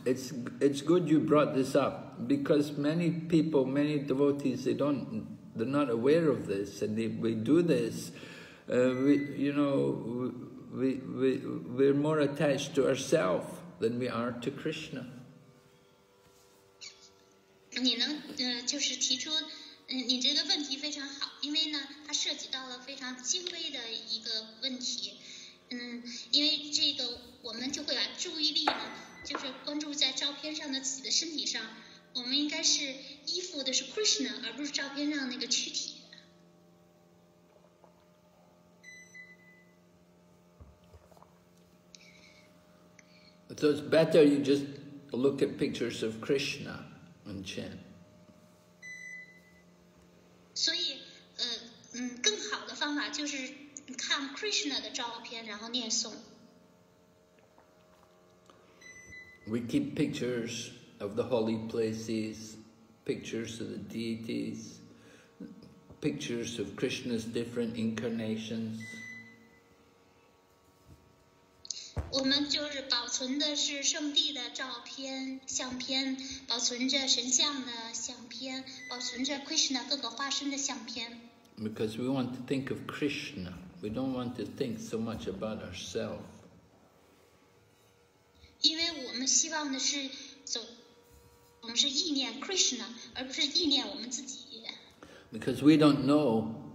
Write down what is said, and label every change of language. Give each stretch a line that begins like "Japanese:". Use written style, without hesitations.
English: It's good you brought this up because many people, many devotees, they're not aware of this, and we do this. We're more attached to ourselves than we are to Krishna.
Chinese: 你能就是提出你这个问题非常好，因为呢，它涉及到了非常精微的一个问题。因为这个我们就会把注意力呢，就是关注在照片上的自己的身体上。我们应该是依附的是 Krishna， 而不是照片上那个躯体。
English: So it's better you just look at pictures of Krishna and chant.
Chinese: 所以，更好的方法就是看 Krishna 的照片，然后念诵。
English: We keep pictures of the holy places, pictures of the deities, pictures of Krishna's different incarnations.
Chinese: 我们就是保存的是圣地的照片、相片，保存着神像的相片，保存着 Krishna 各个化身的相片。
English: Because we want to think of Krishna, we don't want to think so much about ourselves.
Chinese: 因为我们希望的是我们是意念 Krishna, 而不是意念我们自己。
English: Because we don't know.